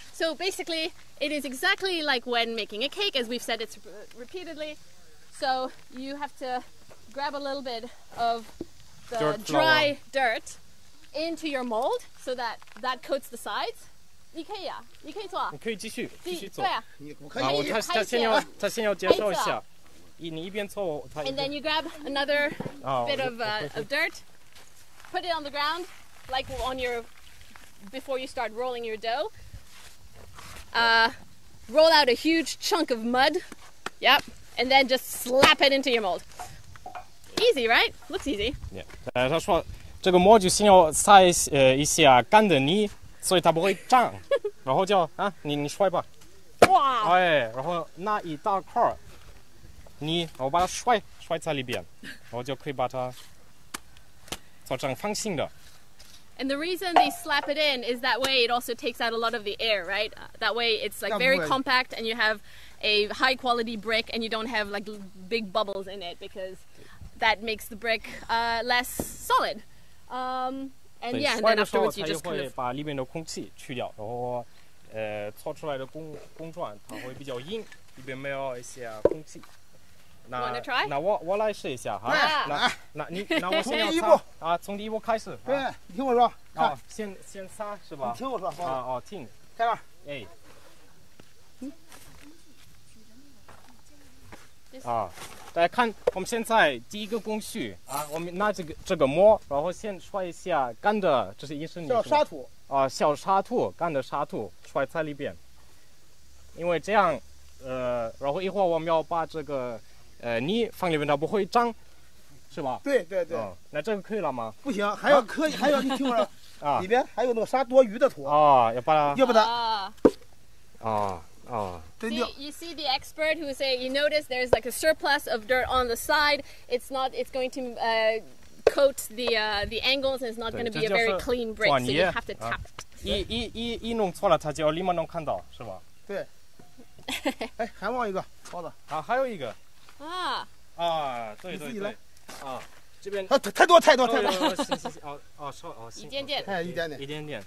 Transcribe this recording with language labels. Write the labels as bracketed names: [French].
[English] So basically, it is exactly like when making a cake, as we've said it repeatedly. So you have to grab a little bit of the dry dirt into your mold so that coats the sides. [Chinese] 你可以啊，你可以做啊。你可以继续做。对啊，你我可以。啊，他先要介绍一下，你一边做他。 [English] And then you grab another bit of dirt, put it on the ground, like on your before you start rolling your dough. Roll out a huge chunk of mud. Yep, and then just slap it into your mold. Easy, right? Looks easy. Yeah. [Chinese] 他说这个馍就先要撒一些干的泥，所以它不会胀。然后叫啊，你摔吧。哇！哎，然后那一大块泥，我把它摔在里边，然后就可以把它做成方形的。 [English] And the reason they slap it in is that way it also takes out a lot of the air, right? That way it's like very compact and you have a high quality brick and you don't have like big bubbles in it because that makes the brick less solid. And yeah, and then afterwards you just kind of [Chinese] 把里面的空气去掉，然后搓出来的工状它会比较硬，里边没有一些空气。 [English] 那 Wanna try? [Chinese] 那我来试一下哈、 [English] yeah. [Chinese] 那你那我先要第一步啊，从第一步开始。对、啊、你听我说啊，先擦是吧？你听我说啊。哦，听开吧。哎、啊，大家看，我们现在第一个工序啊，我们拿这个摸，然后先摔一下干的，这是一身小沙土啊，小沙土，干的沙土摔在里边，因为这样然后一会儿我们要把这个泥放里面它不会脏，是吧？对对对、那这个可以了吗？不行，还要可以、啊、还要你听我说啊，里边还有那个沙多余的土啊，要把它要不得啊啊，真的。 [English] You see the expert who say you notice there's like a surplus of dirt on the side. It's not. It's going to coat the angles. And it's not going to be a very clean brick. So you have to tap it.、 [Chinese] 啊、一弄错了，他就要立马能看到，是吧？对。哎，还忘一个，错的。啊，还有一个。啊啊，对对对，你自己来啊，这边啊太多太多，行，一点点，哎，一点点